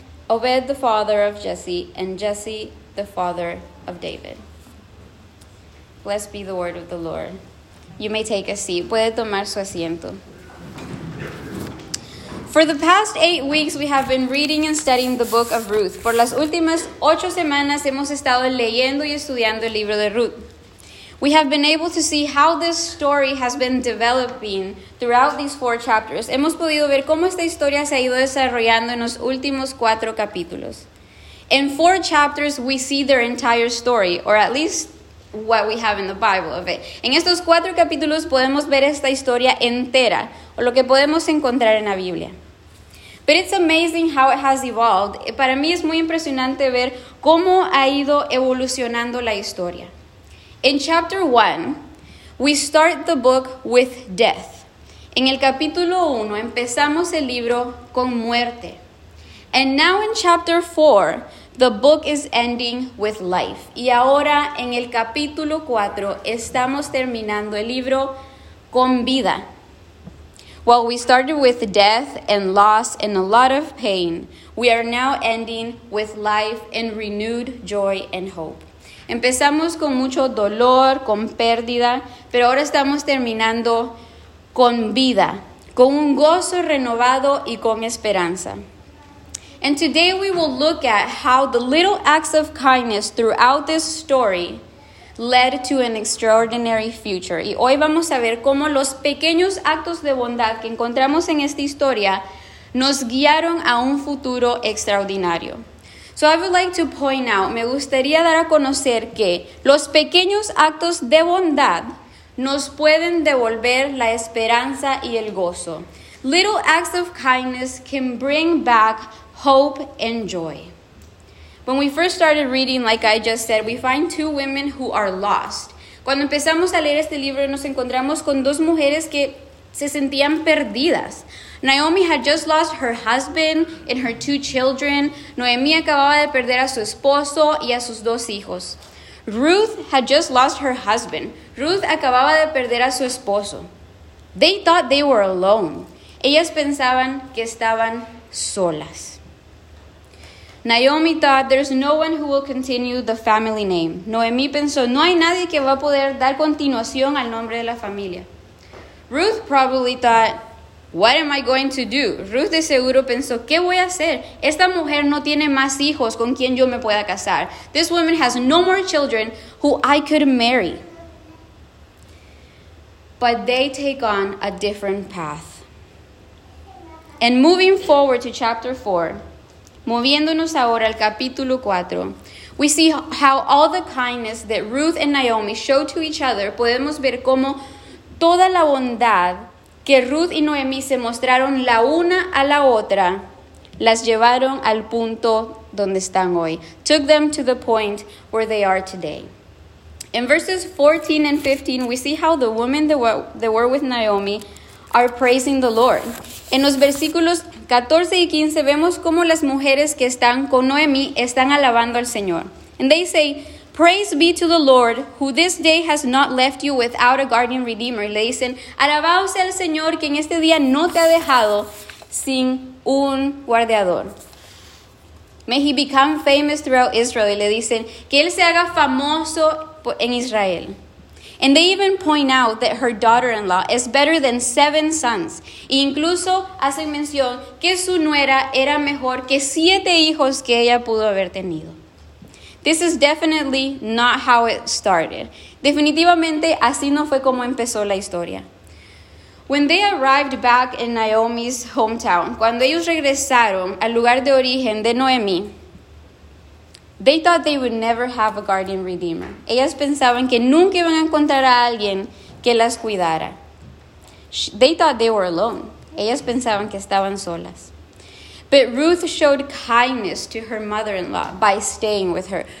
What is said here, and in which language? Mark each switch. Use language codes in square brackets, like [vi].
[en] Obed, the father of Jesse. And Jesse, the father of David. Blessed be the word of the Lord. You may take a seat. [es] Puede tomar su asiento. [en] For the past 8 weeks, we have been reading and studying the book of Ruth. [es] Por las últimas 8 semanas, hemos estado leyendo y estudiando el libro de Ruth. [en] We have been able to see how this story has been developing throughout these 4 chapters. [es] Hemos podido ver cómo esta historia se ha ido desarrollando en los últimos 4 capítulos. [en] In 4 chapters, we see their entire story, or at least what we have in the Bible of it. [es] En estos 4 capítulos podemos ver esta historia entera, o lo que podemos encontrar en la Biblia. [en] But it's amazing how it has evolved. [es] Para mí es muy impresionante ver cómo ha ido evolucionando la historia. [en] In chapter 1, we start the book with death. [es] En el capítulo 1 empezamos el libro con muerte. [en] And now in chapter 4, the book is ending with life. [es] Y ahora en el capítulo 4 estamos terminando el libro con vida. [en] While we started with death and loss and a lot of pain, we are now ending with life and renewed joy and hope. [es] Empezamos con mucho dolor, con pérdida, pero ahora estamos terminando con vida, con un gozo renovado y con esperanza. [en] And today we will look at how the little acts of kindness throughout this story led to an extraordinary future. [es] Y hoy vamos a ver cómo los pequeños actos de bondad que encontramos en esta historia nos guiaron a un futuro extraordinario. [en] So I would like to point out, [es] me gustaría dar a conocer que los pequeños actos de bondad nos pueden devolver la esperanza y el gozo. [en] Little acts of kindness can bring back hope and joy. When we first started reading, like I just said, we find 2 women who are lost. [es] Cuando empezamos a leer este libro, nos encontramos con 2 mujeres que se sentían perdidas. [en] Naomi had just lost her husband and her 2 children. [es] Noemi acababa de perder a su esposo y a sus 2 hijos. [en] Ruth had just lost her husband. [es] Ruth acababa de perder a su esposo. [en] They thought they were alone. [es] Ellas pensaban que estaban solas. [en] Naomi thought, there's no one who will continue the family name. [es] Noemi pensó, no hay nadie que va a poder dar continuación al nombre de la familia. [en] Ruth probably thought, what am I going to do? [es] Ruth de seguro pensó, ¿qué voy a hacer? Esta mujer no tiene más hijos con quien yo me pueda casar. [en] This woman has no more children who I could marry. but they take on a different path. And moving forward to chapter 4, [es] moviéndonos ahora al capítulo 4, [en] we see how all the kindness that Ruth and Naomi show to each other, [es] podemos ver cómo toda la bondad que Ruth y Noemi se mostraron la una a la otra, las llevaron al punto donde están hoy. [en] Took them to the point where they are today. In verses 14 and 15, we see how the women that were with Naomi are praising the Lord. [es] En los versículos 14 y 15, vemos cómo las mujeres que están con Noemi están alabando al Señor. [en] And they say, praise be to the Lord, who this day has not left you without a guardian redeemer. [es] Le dicen, alabado sea el Señor, que en este día no te ha dejado sin un guardiador. [en] May he become famous throughout Israel. [es] Le dicen, que él se haga famoso en Israel. [en] And they even point out that her daughter-in-law is better than 7 sons. [es] E incluso hacen mención que su nuera era mejor que 7 hijos que ella pudo haber tenido. [en] This is definitely not how it started. [es] Definitivamente, así no fue como empezó la historia. [en] When they arrived back in Naomi's hometown, [es] cuando ellos regresaron al lugar de origen de Noemi, [en] they thought they would never have a guardian redeemer. [es] Ellas pensaban que nunca iban a encontrar a alguien que las cuidara. [en] They thought they were alone. [es] Ellas pensaban que estaban solas. [en] But Ruth showed kindness to her mother-in-law by staying with her.